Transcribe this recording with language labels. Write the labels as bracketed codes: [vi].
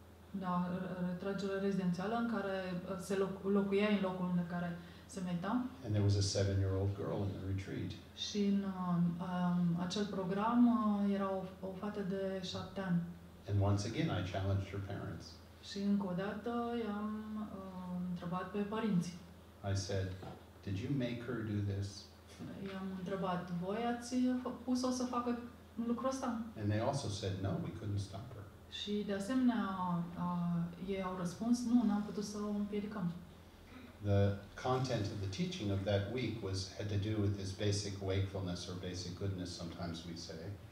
[ro] Da, retragere rezidențială în care se locuia în locul unde care se medita. [en] And there was a 7-year-old girl in the retreat. [ro] Și în acel program era o fată de 7 ani. [en] And once again I challenged her parents. [ro] Și încă o dată i-am întrebat pe părinți. [en] I said, "Did you make her do this?" [ro] I-am întrebat, "Voi ați pus-o să facă lucrul ăsta?" [en] And they also said, "No, we couldn't stop her." [ro] Și de asemenea, ei au răspuns, "Nu, n-am putut să o împiedicăm." [en] The content of the teaching of that week was had to do with this basic wakefulness or basic goodness, sometimes we say.